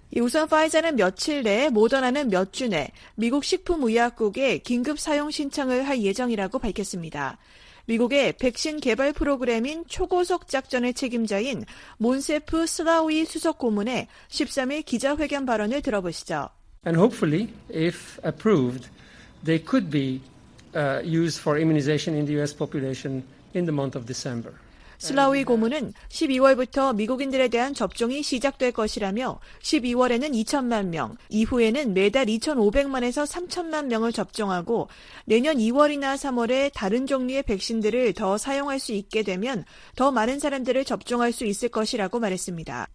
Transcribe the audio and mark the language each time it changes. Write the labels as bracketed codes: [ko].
[ko] 우선 파이자는 며칠 내에, 모더나는 몇 주 내에 미국 식품의약국에 긴급 사용 신청을 할 예정이라고 밝혔습니다. 미국의 백신 개발 프로그램인 초고속 작전의 책임자인 몬세프 슬라우이 수석 고문의 13일 기자회견 발언을 들어보시죠. [en] And hopefully, if approved, they could be used for immunization in the U.S. population in the month of December. [ko] 슬라우이 고문은 12월부터 미국인들에 대한 접종이 시작될 것이라며 12월에는 2천만 명, 이후에는 매달 2,500만에서 3천만 명을 접종하고 내년 2월이나 3월에 다른 종류의 백신들을 더 사용할 수 있게 되면 더 많은 사람들을 접종할 수 있을 것이라고 말했습니다.